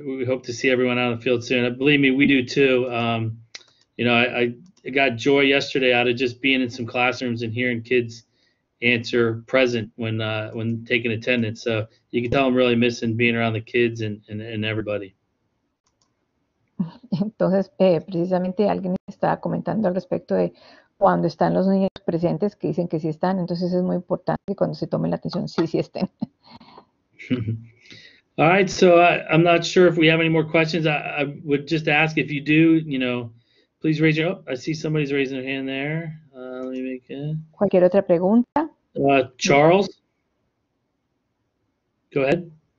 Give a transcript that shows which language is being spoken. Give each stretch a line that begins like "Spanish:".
English: We hope to see everyone out on the field soon. Believe me, we do too. You know, I got joy yesterday out of just being in some classrooms and hearing kids answer present when taking attendance. So you can tell I'm really missing being around the kids and everybody.
Spanish: Entonces, precisamente alguien estaba comentando al respecto de cuando están los niños presentes, que dicen que sí están, entonces es muy importante que cuando se tome la atención, sí, sí estén.
English: All right, so I'm not sure if we have any more questions. I would just ask if you do, you know, please raise your hand. Oh, I see somebody's raising their hand there. Let me make it.
Spanish: ¿Cualquier otra pregunta?
English: Charles? Go ahead.